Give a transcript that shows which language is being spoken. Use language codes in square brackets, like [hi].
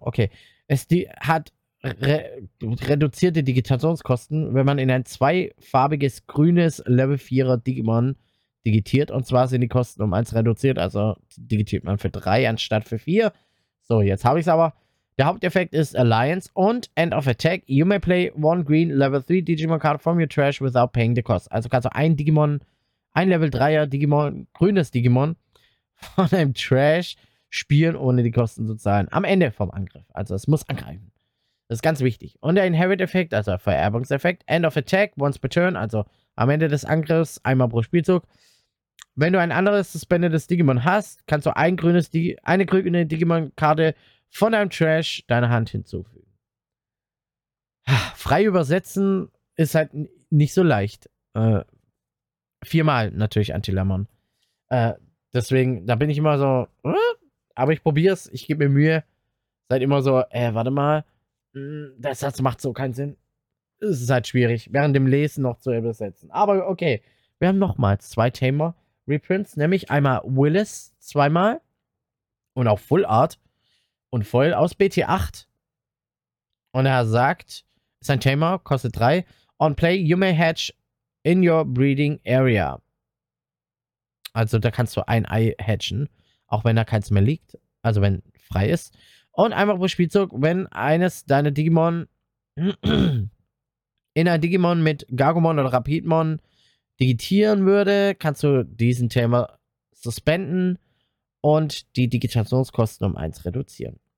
[de] Okay, reduzierte Digitationskosten, wenn man in ein zweifarbiges grünes Level 4er Digimon digitiert, und zwar sind die Kosten um 1 reduziert, also digitiert man für 3 anstatt für 4. So, jetzt habe ich es aber. Der Haupteffekt ist Alliance und End of Attack. [en] You may play one green Level 3 Digimon card from your trash without paying the cost. [de] Also kannst du ein Digimon, ein Level 3er Digimon, grünes Digimon von einem Trash spielen, ohne die Kosten zu zahlen. Am Ende vom Angriff. Also es muss angreifen. Das ist ganz wichtig. Und der Inherit-Effekt, also Vererbungseffekt. [en] End of Attack, once per turn, [de] also am Ende des Angriffs, einmal pro Spielzug. Wenn du ein anderes suspendedes Digimon hast, kannst du eine grüne Digimon-Karte von deinem Trash deiner Hand hinzufügen. Frei übersetzen ist halt nicht so leicht. 4-mal natürlich Antilamon. Deswegen, da bin ich immer so, aber ich probiere es, ich gebe mir Mühe. Seid immer so, warte mal. Der Satz macht so keinen Sinn. Es ist halt schwierig, während dem Lesen noch zu übersetzen. Aber okay, wir haben nochmals 2 Tamer Reprints, nämlich einmal Willis 2-mal und auch Full Art und voll aus BT8. Und er sagt, sein Tamer kostet 3. [en] On play, you may hatch in your breeding area. [de] Also da kannst du ein Ei hatchen, auch wenn da keins mehr liegt, also wenn frei ist. Und einmal pro Spielzug, wenn eines deiner Digimon in ein Digimon mit Gagumon oder Rapidmon digitieren würde, kannst du diesen Thema suspenden und die Digitationskosten um 1 reduzieren.